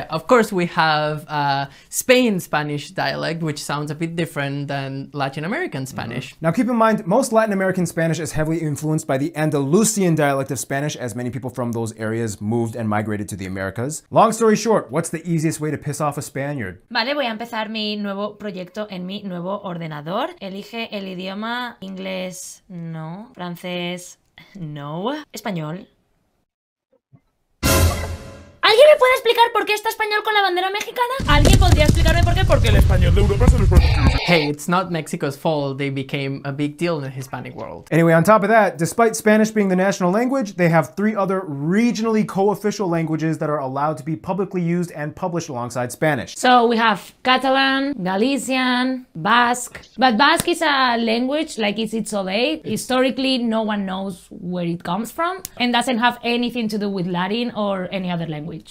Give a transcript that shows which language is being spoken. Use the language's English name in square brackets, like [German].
[English] Yeah, of course we have Spain Spanish dialect, which sounds a bit different than Latin American Spanish. Mm-hmm. Now keep in mind, most Latin American Spanish is heavily influenced by the Andalusian dialect of Spanish, as many people from those areas moved and migrated to the Americas. Long story short, what's the easiest way to piss off a Spaniard? [Spanish] Vale, voy a empezar mi nuevo proyecto en mi nuevo ordenador. Elige el idioma inglés, no, francés, no, español. ¿Alguien me puede explicar por qué está español con la bandera mexicana? ¿Alguien podría explicarme por qué? Porque el español de Europa es el español. [English] Hey, it's not Mexico's fault. They became a big deal in the Hispanic world. Anyway, on top of that, despite Spanish being the national language, they have 3 other regionally co-official languages that are allowed to be publicly used and published alongside Spanish. So we have Catalan, Galician, Basque. But Basque is a language, like it's so late. Historically, no one knows where it comes from and doesn't have anything to do with Latin or any other language.